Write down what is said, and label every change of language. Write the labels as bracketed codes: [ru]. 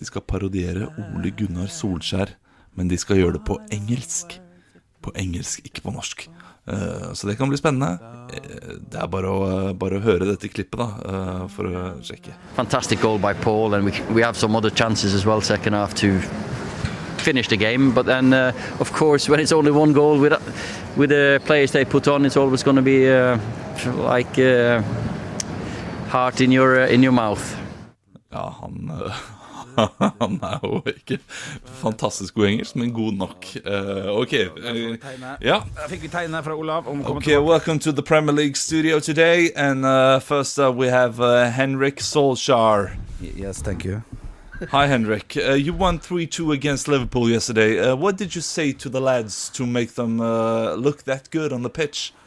[no] De skal parodiere Ole Gunnar Solskjær, men de skal gjøre det på engelsk. På engelsk, ikke på norsk. Så det kan bli spennende. Det er bare å høre dette klippet da, for å sjekke. [en] Fantastic goal by Paul, and we have some other chances as well second half to finish the game, but then of course when it's only one goal with the players they put on, it's always going to be like heart in your mouth. [no] Ja, han er jo ikke fantastisk god engelsk, men god nok. Ok, ja. Jeg fikk et tegne fra Olav. [en] Okay, welcome to the Premier League studio today, and first we have Henrik Solskjær. Yes, thank you. Hi, Henrik. You won 3-2 against Liverpool yesterday. What did you say to the lads to make them look that good on the pitch?